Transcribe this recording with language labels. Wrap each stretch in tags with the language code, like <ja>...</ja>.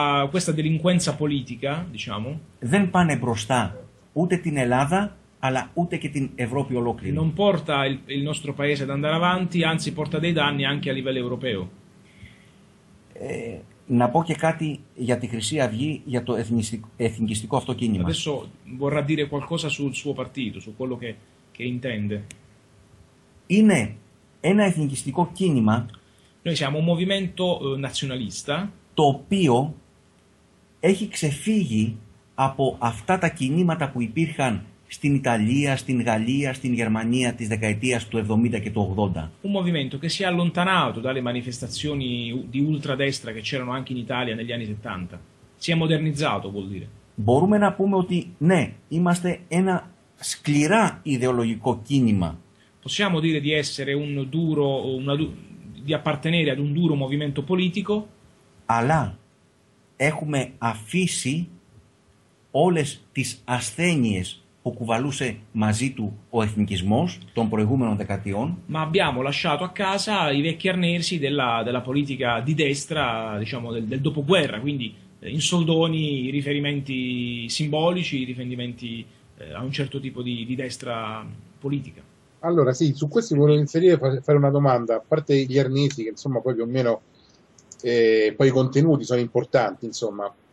<it>questa delinquenza politica, diciamo,</it> <el>δεν πάνε μπροστά ούτε την Ελλάδα, αλλά ούτε και την Ευρώπη ολόκληρη.</el> <it>Non porta il nostro paese ad andare avanti, anzi porta dei danni anche a livello europeo.</it> <el>Να πω και κάτι για τη Χρυσή Αυγή, για το εθνικιστικό αυτό κίνημα.</el> <it>Adesso vorrà dire qualcosa sul suo partito, su quello che intende.</it> <el>Είναι ένα εθνικιστικό κίνημα.</el> <it>Noi siamo un movimento nazionalista.</it> <el>Το οποίο έχει ξεφύγει από αυτά τα κινήματα που υπήρχαν στην Ιταλία, στην Γαλλία, στην Γερμανία της δεκαετίας του 70 και του 80.</el> <it>Un movimento che si è allontanato dalle manifestazioni di ultradestra che c'erano anche in Italia negli anni 70. Si è modernizzato, vuol dire.</it> <el>Μπορούμε να πούμε ότι ναι, είμαστε ένα σκληρά ιδεολογικό κίνημα.</el> <it>Possiamo dire di essere un duro, di appartenere ad un duro movimento politico.</it> <el>Αλλά έχουμε αφήσει όλες τις ασθένειες που κουβαλούσε μαζί του ο εθνικισμός των προηγούμενων δεκαετιών.</el> <it>Ma abbiamo lasciato a casa i vecchi arnesi della politica di destra, diciamo del dopoguerra, quindi in soldoni i riferimenti simbolici, i riferimenti a un certo tipo di destra politica. Allora sì, su questo volevo inserire fare una domanda, a parte gli arnesi che insomma poi più o meno poi i contenuti sono importanti, insomma.</it>